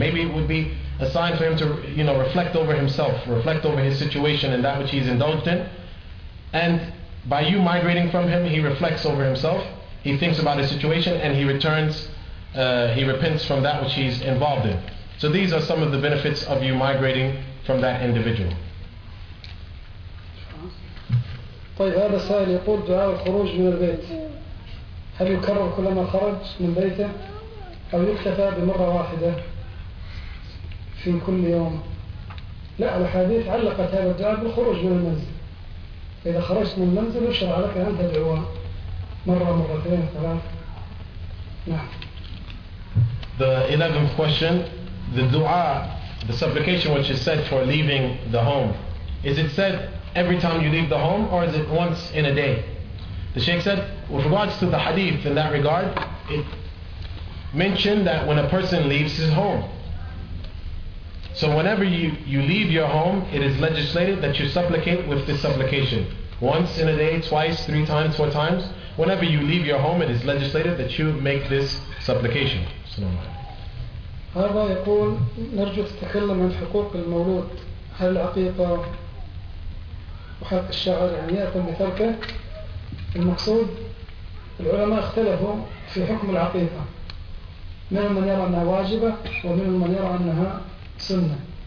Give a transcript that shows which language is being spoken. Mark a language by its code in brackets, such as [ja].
[en] Maybe it would be a sign for him to reflect over himself, reflect over his situation and that which he's indulged in. And by you migrating from him, he reflects over himself, he thinks about his situation, and he returns, he repents from that which he's involved in. So these are some of the benefits of you migrating from that individual. [ar] طيب هذا السائل يقول دعاء الخروج من البيت هل يكرر كلما خرج من بيته أو يكتفى بمرة واحدة في كل يوم؟ لا، الحديث علقت هذا الدعاء بالخروج من المنزل. إذا خرجت من المنزل يشرع لك أن تدعو مرة مرتين ثلاث. نعم. [en] The 11th question, the dua, the supplication which is said for leaving the home, is it said every time you leave the home, or is it once in a day? The Shaykh said, with regards to the hadith in that regard, it mentioned that when a person leaves his home. So whenever you leave your home, it is legislated that you supplicate with this supplication. Once in a day, twice, three times, four times. Whenever you leave your home, it is legislated that you make this supplication. [ar] هذا يقول نرجو تتكلم عن حقوق المولود، هل العقيقة وحق الشعر يأتم بتركة؟ المقصود العلماء اختلفوا في حكم العقيقة، منهم من يرى أنها واجبة ومنهم من يرى أنها سنة.